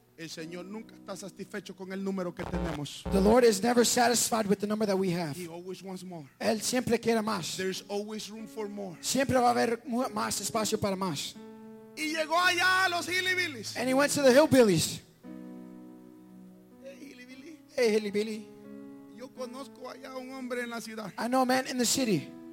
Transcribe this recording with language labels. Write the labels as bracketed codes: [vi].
[es] El señor nunca está satisfecho con el número que tenemos. [en] The Lord is never satisfied with the number that we have. He always wants more. [es] Él siempre quiere más. [en] There's always room for more. [es] Siempre va a haber más espacio para más. Y llegó allá a los hillbillies. [en] And he went to the hillbillies. Hey, Hilly Billy. [es] Yo conozco allá un hombre en la ciudad. [en] I know a man in the city.